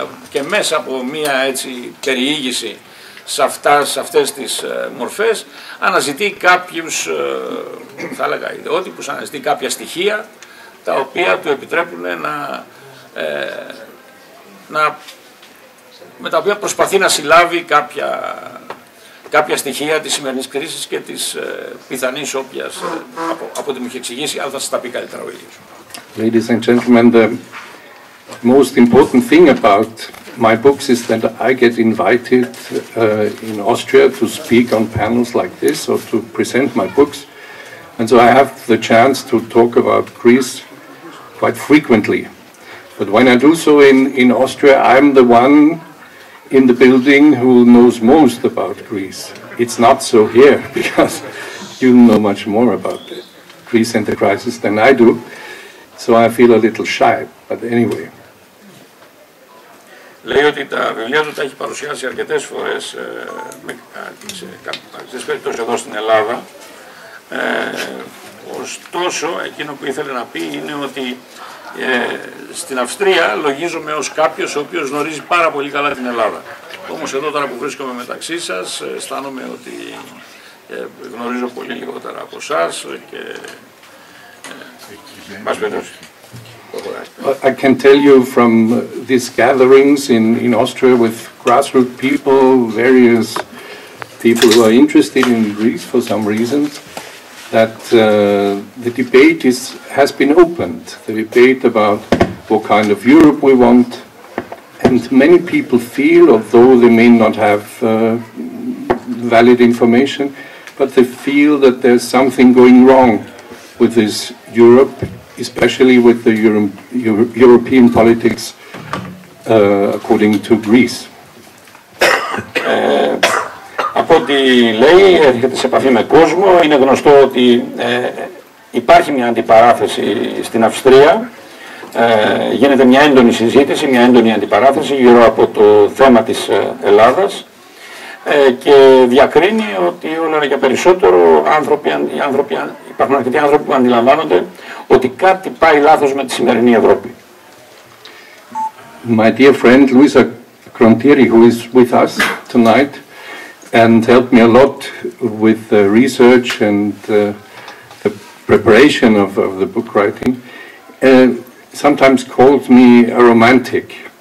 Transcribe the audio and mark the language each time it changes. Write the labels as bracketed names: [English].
[Greek] Και μέσα από μία έτσι περιήγηση σε αυτές τις μορφές αναζητεί κάποιους, θα έλεγα, ιδεότυπους, αναζητεί κάποια στοιχεία τα οποία του επιτρέπουν να με τα οποία προσπαθεί να συλλάβει κάποια στοιχεία της σημερινής κρίσης και της πιθανής όποιας από ό,τι μου έχει εξηγήσει, αλλά θα σας τα πει καλύτερα ο ίδιος. [English] Ladies and gentlemen, the most important thing about my books is that I get invited in Austria to speak on panels like this or to present my books. And so I have the chance to talk about Greece quite frequently. But when I do so in Austria, I'm the one in the building who knows most about Greece. It's not so here because you know much more about Greece and the crisis than I do. So I feel a little shy, but anyway. [Greek] Λέει ότι τα βιβλία του τα έχει παρουσιάσει αρκετές φορές σε κάποιες περιπτώσεις εδώ στην Ελλάδα. Ωστόσο, εκείνο που ήθελε να πει είναι ότι στην Αυστρία λογίζομαι ως κάποιος ο οποίος γνωρίζει πάρα πολύ καλά την Ελλάδα. Όμως εδώ τώρα που βρίσκομαι μεταξύ σας, αισθάνομαι ότι γνωρίζω πολύ λιγότερα από εσάς και μας περιμένω. [English] I can tell you from these gatherings in Austria with grassroots people, various people who are interested in Greece for some reason, that the debate has been opened. The debate about what kind of Europe we want, and many people feel, although they may not have valid information, but they feel that there's something going wrong with this Europe. Especially with the European politics according to Greece. [Greek] Από ό,τι λέει, έρχεται σε επαφή με κόσμο. Είναι γνωστό ότι υπάρχει μια αντιπαράθεση στην Αυστρία. Γίνεται μια έντονη συζήτηση, μια έντονη αντιπαράθεση γύρω από το θέμα της Ελλάδας. Και διακρίνει ότι όλο ένα και περισσότερο υπάρχουν αρκετοί άνθρωποι που αντιλαμβάνονται ότι κάτι πάει λάθος με τη σημερινή Ευρώπη. [English] My dear friend Luisa Grontieri, who is with us tonight and helped me a lot with the research and the preparation of the book writing, sometimes calls me a romantic.